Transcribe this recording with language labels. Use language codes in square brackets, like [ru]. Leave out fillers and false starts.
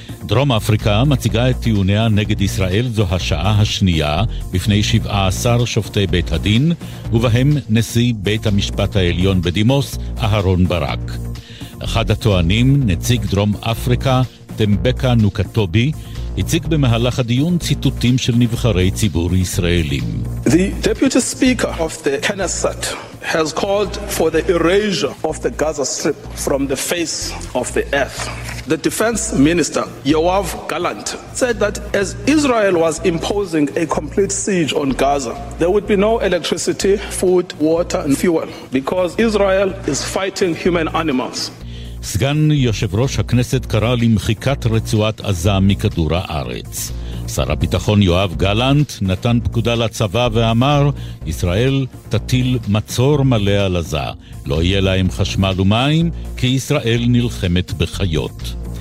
[he] דרום אפריקה מציגה את טיעוניה נגד ישראל זו השעה השנייה בפני 17 שופטי בית הדין ובהם נשיא בית המשפט העליון בדימוס אהרון ברק. אחד הטוענים, נציג דרום אפריקה טמבקה נוקטובי, הציג במהלך הדיון ציטוטים של נבחרי ציבור ישראלים. [en] The deputy speaker of the Knesset has called for the erasure of the Gaza Strip from the face of the earth. The defense minister, Yoav Gallant, said that as Israel was imposing a complete siege on Gaza, there would be no electricity, food, water and fuel because Israel is fighting human animals. [he] סגן יושב ראש הכנסת קרא למחיקת רצועת עזה מכדור הארץ. שר הביטחון יואב גלנט נתן פקודה לצבא ואמר, ישראל תטיל מצור מלא על עזה. לא יהיה להם חשמל ומים, כי ישראל נלחמת בחיות.